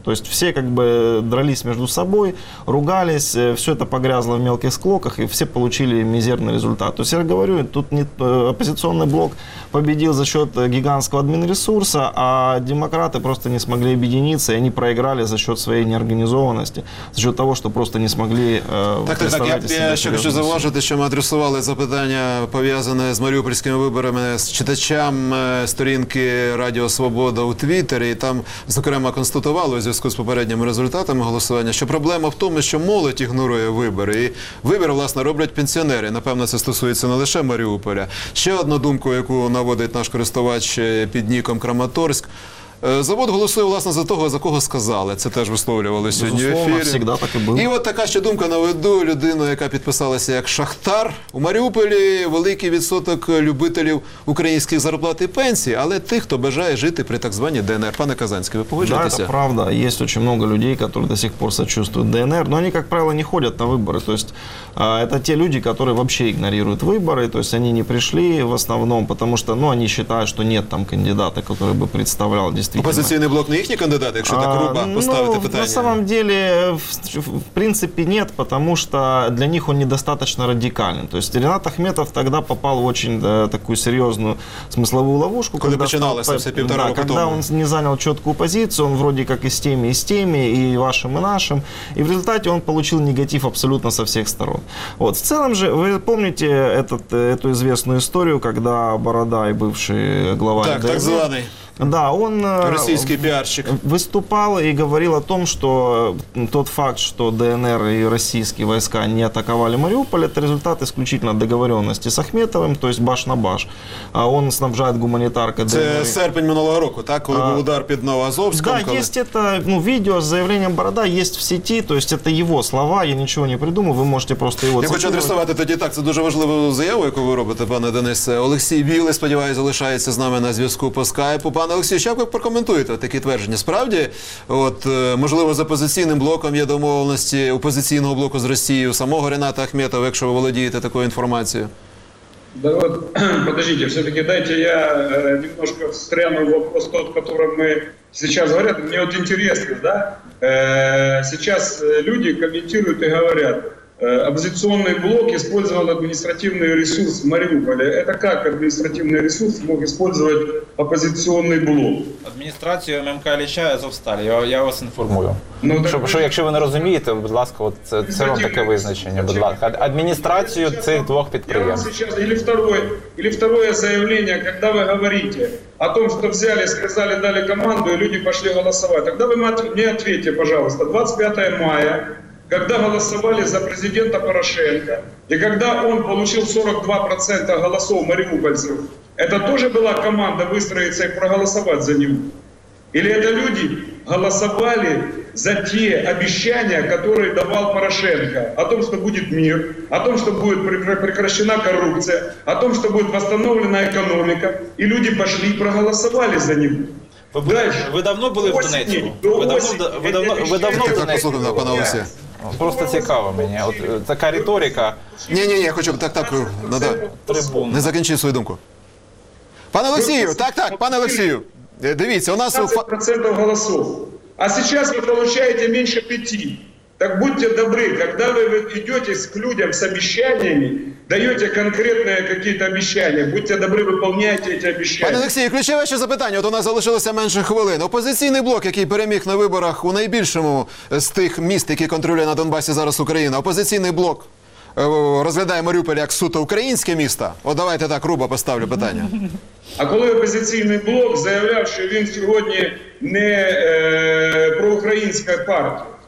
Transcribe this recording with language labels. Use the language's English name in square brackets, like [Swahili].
[Russian] То есть все как бы дрались между собой, ругались, все это погрязло в мелких склоках, и все получили мизерный результат. То есть я говорю, тут не оппозиционный блок победил за счет гигантского админресурса, а демократы просто не смогли объединиться, и они проиграли за счет своей неорганизованности, за счет того, что просто не смогли представлять себе. [Ukrainian] Так, я ще хочу зауважити, що ми адресували запитання, пов'язане з маріупольськими виборами, з читачам сторінки Радіо Свобода у Твіттері, і там, зокрема, констатували у зв'язку з попередніми результатами голосування, що проблема в тому, що молодь ігнорує вибори, і вибір, власне, роблять пенсіонери. Напевно, це стосується не лише Маріуполя. Ще одну думку, яку наводить наш користувач під ніком Краматорськ. Завод голосує, власне, за того, за кого сказали. Це теж висловлювали сьогодні в ефірі. Безусловно, завжди так і було. І от така ще думка наведу людину, яка підписалася як шахтар. У Маріуполі великий відсоток любителів українських зарплат і пенсій, але тих, хто бажає жити при так званій ДНР. Пане Казанський, ви погоджуєтеся? Да, це правда. Є дуже багато людей, які до сих пор сочувствують ДНР, але вони, як правило, не ходять на вибори. Тобто, це ті люди, які взагалі ігнорують вибори. Тобто, вони не прийшли в основному, тому що, ну, вони вважають, що немає там кандидата, який би представляв. [Russian] Оппозиционный блок на их кандидаты, если так грубо поставить питание? На самом деле, в принципе, нет, потому что для них он недостаточно радикален. То есть Ринат Ахметов тогда попал в очень такую серьезную смысловую ловушку. Когда начиналось все полтора года. Когда он не занял четкую позицию, он вроде как и с теми, и вашим, и нашим. И в результате он получил негатив абсолютно со всех сторон. Вот. В целом же, вы помните эту известную историю, когда Борода и бывший глава... Так, так званый. Да, он российский пиарщик выступал и говорил о том, что тот факт, что ДНР и российские войска не атаковали Мариуполь, это результат исключительно договоренности с Ахметовым, то есть баш на баш. А он снабжает гуманитаркой ДНР. Это [Ukrainian] серпень минулого [Russian] года, так? Когда был удар под Новоазовском. Да, [Ukrainian] коли... [Russian] есть это видео с заявлением Борода, есть в сети, то есть это его слова, я ничего не придумал, вы можете просто его цитировать. Я хочу адресовать [Ukrainian] тоді так, [Russian] это очень важную заяву, которую вы делаете, пане Денисе. [Ukrainian] Олексій Білий, сподіваюсь, залишається с нами на зв'язку по скайпу. Пане Олексію, що ви прокоментуєте такі твердження? Справді, от, можливо, з опозиційним блоком є домовленості опозиційного блоку з Росією, самого Рената Ахметова, якщо ви володієте такою інформацією? [Russian] Да вот, подождите, все-таки дайте я немножко встряну в вопрос тот, который мы сейчас говорят. Мне вот интересно, да, сейчас люди комментируют и говорят, оппозиционный блок использовал административный ресурс в Мариуполе. Это как административный ресурс мог использовать оппозиционный блок? Администрацию ММК Ильича Азовсталь, я вас информую. [Ukrainian] Ну, так, що, якщо ви не розумієте, будь ласка, от це вам таке визначення, будь ласка. Адміністрацію цих двох підприємств. [Russian] Я вам сейчас, или второе заявление, когда вы говорите о том, что взяли, сказали, дали команду, и люди пошли голосовать. Тогда вы мне ответьте, пожалуйста, 25 мая, когда голосовали за президента Порошенко, и когда он получил 42% голосов мариупольцев, это тоже была команда выстроиться и проголосовать за него? Или это люди голосовали за те обещания, которые давал Порошенко, о том, что будет мир, о том, что будет прекращена коррупция, о том, что будет восстановлена экономика, и люди пошли и проголосовали за него? [Ukrainian] Ви давно були в Донецьку? Ви давно в Донецьку? Послухайте, на пана Олексія. Просто цікаво мені. От, така риторика. Ні, я хочу так, надо. Не закінчи свою думку. Пане Олексію, так, пане Олексію. Дивіться, у нас... 15% голосів. А зараз ви отримуєте менше 5. [Russian] Так [Ukrainian] будьте добрі, [Russian] когда вы идете к людям с обещаниями, даете конкретные какие-то обещания, будьте добрі, выполняйте эти обещания. [Ukrainian] Пане Олексію, ключове ще запитання, от у нас залишилося менше хвилин. Опозиційний блок, який переміг на виборах у найбільшому з тих міст, які контролює на Донбасі зараз Україна, опозиційний блок розглядає Маріуполь як суто українське місто? От давайте так, грубо поставлю питання. А коли опозиційний блок заявляв, що він сьогодні не проукраїнська партія?